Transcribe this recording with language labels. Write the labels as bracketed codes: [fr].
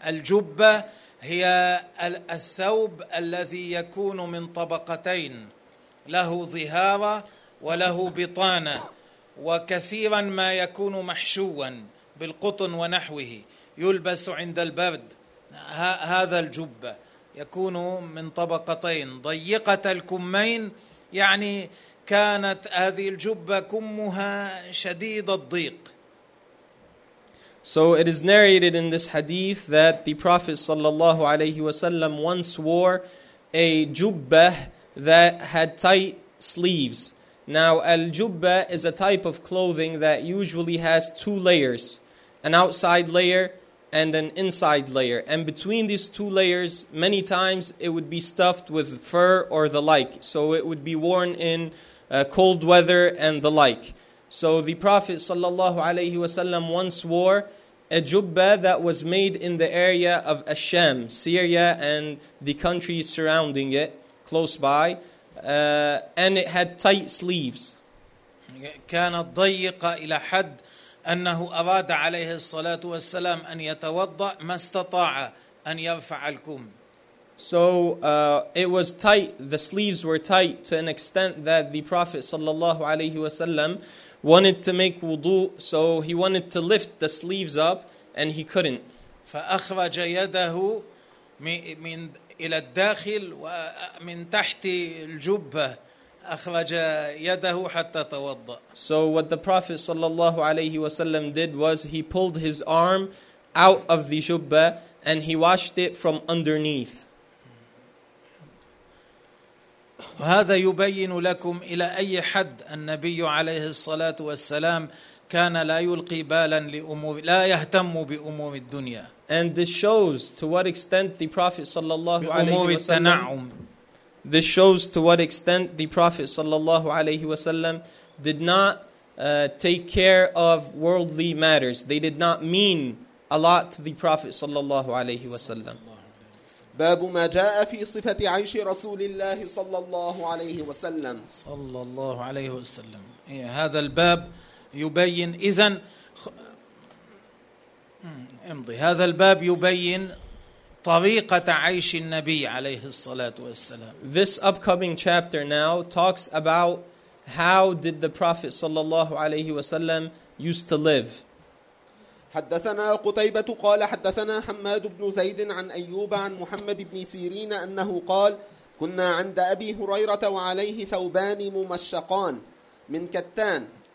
[ar] الجبة هي الثوب الذي يكون من طبقتين، له ظهارة وله بطانة، وكثيرا ما يكون محشوا بالقطن ونحوه، يلبس عند البرد. هذا الجبة يكون من طبقتين ضيقة الكمين، يعني كانت هذه الجبة كمها شديد الضيق. [en] So it is narrated in this hadith that the Prophet sallallahu alayhi wa sallam once wore a jubbah that had tight sleeves. Now al-jubbah is a type of clothing that usually has two layers, an outside layer and an inside layer. And between these two layers, many times it would be stuffed with fur or the like. So it would be worn in cold weather and the like. So the Prophet sallallahu alayhi wa sallam once wore a jubba that was made in the area of Asham, Syria, and the countries surrounding it, close by, and it had tight sleeves. [ar] كانت ضيقة إلى حد أنه أراد عليه الصلاة والسلام أن يتوضأ ما استطاع أن يرفع الكم. [en] So it was tight. The sleeves were tight to an extent that the Prophet sallallahu alaihi wasallam wanted to make wudu, so he wanted to lift the sleeves up and he couldn't. [ar] فأخرج يده من إلى الداخل ومن تحت الجبة أخرج يده حتى توضأ. [en] So what the Prophet sallallahu alaihi wasallam did was he pulled his arm out of the jubba and he washed it from underneath. [ar] وهذا يبين لكم إلى أي حد النبي عليه الصلاة والسلام كان لا يلقي بالا لأمور لا يهتم بأمور الدنيا. [en] And this shows to what extent the Prophet [ar] صلى الله عليه وسلم [en] This shows to what extent the Prophet صلى الله عليه وسلم did not take care of worldly matters. They did not mean a lot to the Prophet [ar] صلى الله عليه وسلم. باب ما جاء في صفة عيش رسول الله صلى الله عليه وسلم صلى الله عليه وسلم هذا الباب يبين إذن امضي. هذا الباب يبين طريقة عيش النبي عليه الصلاة والسلام. [en] This upcoming chapter now talks about how did the Prophet صلى الله عليه وسلم used to live. [ar] حدثنا قتيبة قال حدثنا حماد بن زيد عن أيوب عن محمد بن سيرين أنه قال كنا عند أبي هريرة وعليه ثوبان ممشقان من كتان.